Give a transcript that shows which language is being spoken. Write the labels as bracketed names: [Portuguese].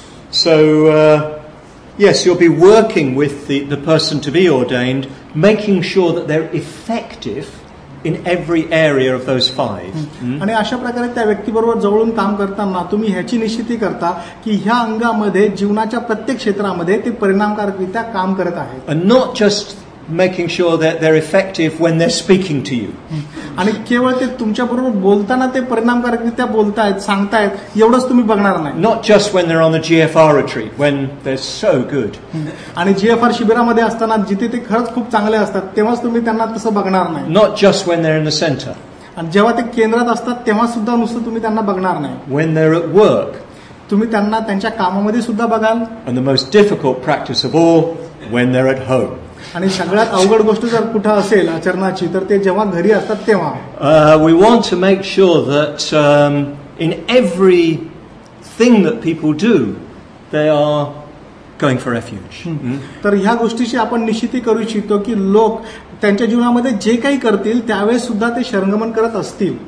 [English] So yes, you'll be working with the person to be ordained, making sure that they're effective in every area of those five. [Marathi] आणि अशा प्रकारे त्या व्यक्तीबरोबर जवळून काम करताना तुम्ही ह्याची निश्चिती करता की ह्या अंगामध्ये जीवनाच्या प्रत्येक क्षेत्रामध्ये ते परिणामकारकरित्या काम करत आहेत. [English] Not just making sure that they're effective when they're speaking to you. [Marathi] आणि केवळ ते तुमच्याबरोबर बोलताना ते परिणामकारकरित्या बोलतायत सांगतायत एवढंच तुम्ही बघणार नाही. [English] Not just when they're on the GFR retreat when they're so good. [Marathi] आणि GFR शिबिरामध्ये असताना जिथे ते खरच खूप चांगले असतात तेव्हाच तुम्ही त्यांना तसं बघणार नाही. [English] Not just when they're in the center. [Marathi] आणि जेव्हा ते केंद्रात असतात तेव्हा सुद्धा नुसतं तुम्ही त्यांना बघणार नाही. [English] When they're at work. [Marathi] तुम्ही त्यांना त्यांच्या कामामध्ये सुद्धा बघाल. [English] And the most difficult practice of all when they're at home. [Marathi] आणि सगळ्यात अवघड गोष्ट जर कुठे असेल आचरणाची तर ते जेव्हा घरी असतात तेव्हा. [English] We want to make sure that in everything that people do they are going for refuge. [Marathi] तर ह्या गोष्टीची आपण निश्चिती करू इच्छितो की लोक त्यांच्या जीवनामध्ये जे काही करतील त्यावेळेस सुद्धा ते शरणागमन करत असतील.